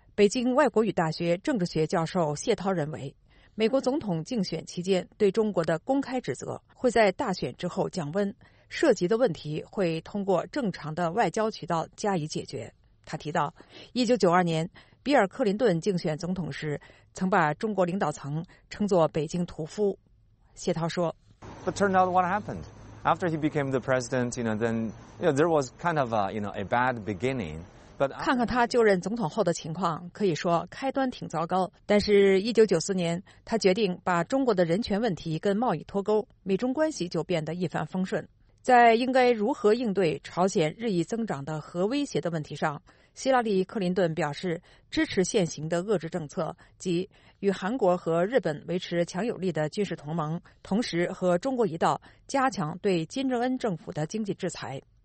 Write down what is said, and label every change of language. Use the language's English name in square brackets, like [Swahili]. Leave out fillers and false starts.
[Chinese] 北京外国语大学政治学教授谢涛认为，美国总统竞选期间对中国的公开指责会在大选之后降温，涉及的问题会通过正常的外交渠道加以解决。他提到1992年比尔·克林顿竞选总统时曾把中国领导层称作北京屠夫。谢涛说， [English] But turned out what happened after he became the president, you know, then you know, there was kind of a, you know, a bad beginning. [Chinese] 看看他就任总统后的情况，可以说开端挺糟糕，但是1994年他决定把中国的人权问题跟贸易脱钩，美中关系就变得一帆风顺。在应该如何应对朝鲜日益增长的核威胁的问题上，希拉里·克林顿表示支持现行的遏制政策，即与韩国和日本维持强有力的军事同盟，同时和中国一道加强对金正恩政府的经济制裁。